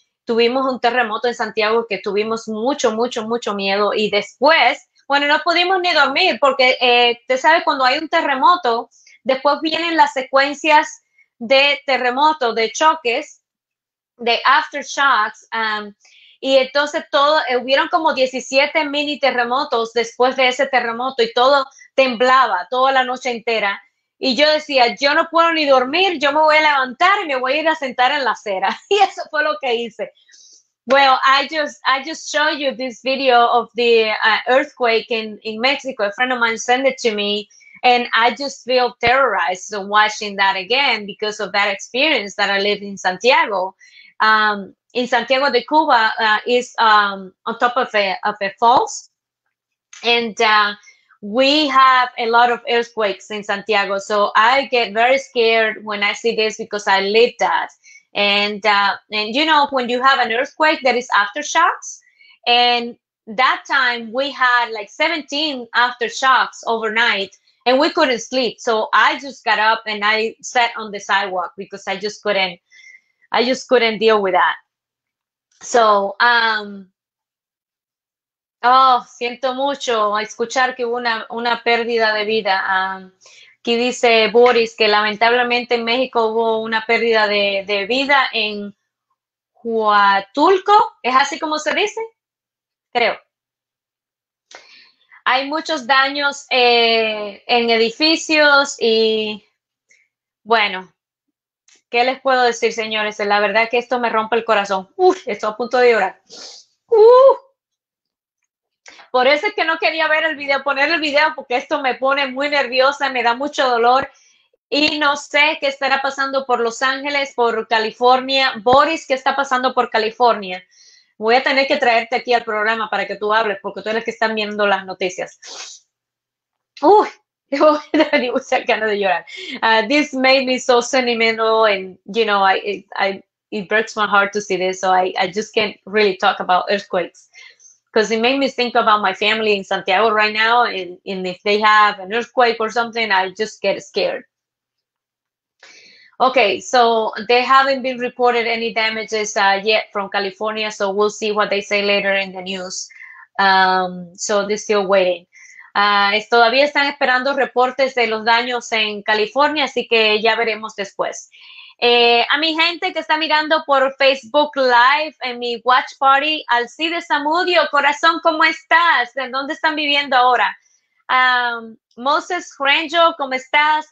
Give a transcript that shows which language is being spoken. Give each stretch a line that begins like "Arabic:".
Spanish: Tuvimos un terremoto en Santiago que tuvimos mucho, mucho, mucho miedo y después, bueno, no pudimos ni dormir porque usted sabe, cuando hay un terremoto, después vienen las secuencias de terremoto, de choques, de aftershocks. Y entonces todo, hubieron como 17 mini terremotos después de ese terremoto y todo temblaba toda la noche entera. Y yo decía, yo no puedo ni dormir, yo me voy a levantar y me voy a ir a sentar en la acera. Y eso fue lo que hice.
English: Well, I just show you this video of the earthquake in Mexico. A friend of mine sent it to me, and I just feel terrorized watching that again because of that experience that I lived in Santiago. in Santiago de Cuba is on top of a falls. And we have a lot of earthquakes in Santiago. So I get very scared when I see this because I live that. And you know, when you have an earthquake, that is aftershocks. And that time we had like 17 aftershocks overnight and we couldn't sleep. So I just got up and I sat on the sidewalk because I just couldn't deal with that.
Spanish: So, siento mucho escuchar que hubo una pérdida de vida. Aquí dice Boris que lamentablemente en México hubo una pérdida de vida en Huatulco. ¿Es así como se dice? Creo. Hay muchos daños en edificios y, bueno, ¿qué les puedo decir, señores? La verdad que esto me rompe el corazón. Uf, estoy a punto de llorar. Por eso es que no quería ver el video, poner el video, porque esto me pone muy nerviosa, me da mucho dolor. Y no sé qué estará pasando por Los Ángeles, por California. Boris, ¿qué está pasando por California? Voy a tener que traerte aquí al programa para que tú hables, porque tú eres el que están viendo las noticias. Uy, me da ganas de llorar.
English: This made me so sentimental, and you know, it breaks my heart to see this, so I just can't really talk about earthquakes. Because it made me think about my family in Santiago right now, and if they have an earthquake or something, I just get scared. Okay, so they haven't been reported any damages yet from California, so we'll see what they say later in the news. So they're still waiting.
Spanish: Todavía están esperando reportes de los daños en California, así que ya veremos después. A mi gente que está mirando por Facebook Live en mi Watch Party, Alcides Zamudio, corazón, ¿cómo estás? ¿De dónde están viviendo ahora? Moses Grangel, ¿cómo estás?